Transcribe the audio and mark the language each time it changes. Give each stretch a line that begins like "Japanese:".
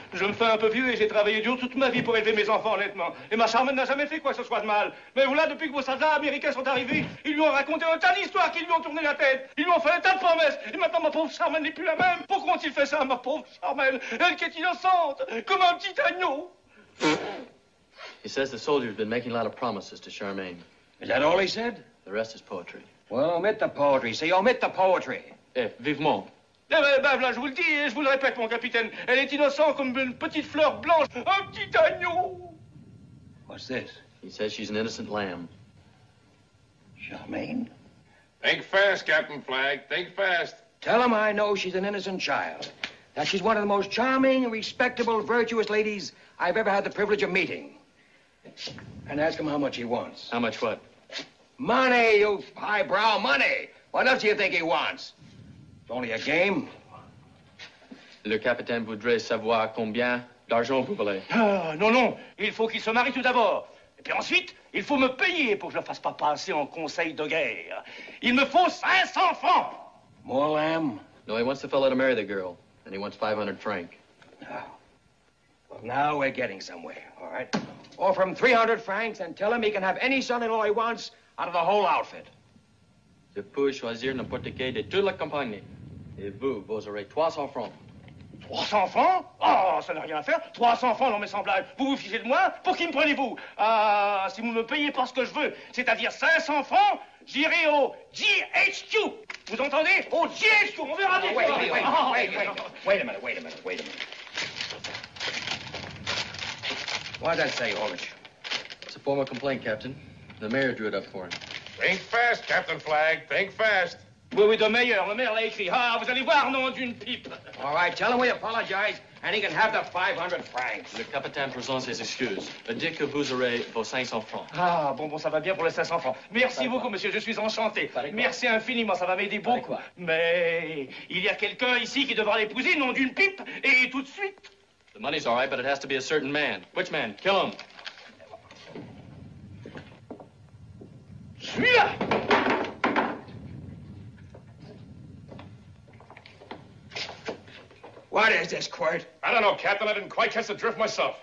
French: Je me fais un peu vieux et j'ai travaillé dur toute ma vie pour élever mes enfants honnêtement. Et ma charmante n'a jamais fait quoi que ce soit de mal. Mais voilà, depuis que vos soldats américains sont arrivés, ils lui ont raconté un tas d'histoires qui lui ont tourné la tête. Ils lui ont fait un tas de promesses. Et maintenant, ma pauvre charmante n'est plus la même. Pourquoi ont-ils fait ça, ma pauvre charmante? Elle qui est innocente, comme un petit agneau.
English: He says the soldier's been making a lot of promises to Charmaine. Is that all he said? The rest is poetry. Well, omit the poetry. See, omit the poetry.
French: Vivement. Eh ben, voilà, je vous le dis et je vous le répète, mon capitaine. Elle est innocente comme une petite fleur blanche, un petit agneau.
English: What's this? He says she's an innocent lamb. Charmaine? Think fast, Captain Flagg. Think fast. Tell him I know she's an innocent child. That she's one of the most charming, respectable, virtuous ladies I've ever had the privilege of meeting. And ask him how much he wants. How much what? Money, you highbrow, money. What else do you think he wants? It's only a game.
French: Le capitaine voudrait savoir combien d'argent vous voulez. Non, non. Il faut qu'il se marie tout d'abord. Et puis ensuite, il faut me payer pour que je ne fasse pas passer en conseil de guerre. Il me faut 500 francs.
English: More lamb? No, he wants the fellow to marry the girl. And he wants 500 francs. Now we're getting somewhere, all right? Offer him 300 francs and tell him he can have any son-in-law he wants out of the whole outfit.
French: Je peux choisir n'importe qui de toute la campagne. Et vous, vous aurez 300 francs. 300 francs? Oh, ça n'a rien à faire. 300 francs, non, mes semblables. Vous vous fichez de moi? Pour qui me prenez-vous? Si vous me payez pas ce que je veux, c'est-à-dire 500 francs, j'irai au GHQ. Vous entendez? Au GHQ, on verra bien.
English: Wait a minute. Why'd that say, Orange? It's a formal complaint, Captain. The mayor drew it up for him. Think fast, Captain Flagg. Think fast.
French: Oui, oui, le maire l'a écrit. Ah, vous allez voir, nom d'une pipe.
English: All right, tell him we apologize, and he can have the 500 francs.
French: Le capitaine présente ses excuses. Dit que vous aurez vos 500 francs. Ah, bon, bon, ça va bien pour les 500 francs. Merci beaucoup, monsieur, je suis enchanté. Merci infiniment, ça va m'aider beaucoup. Mais il y a quelqu'un ici qui devra l'épouser, nom d'une pipe, et tout de suite.
English: The money's all right, but it has to be a certain man. Which man? Kill him.
French: Celui-là!
English: What is this, Quirt? I don't know, Captain. I didn't quite catch the drift myself.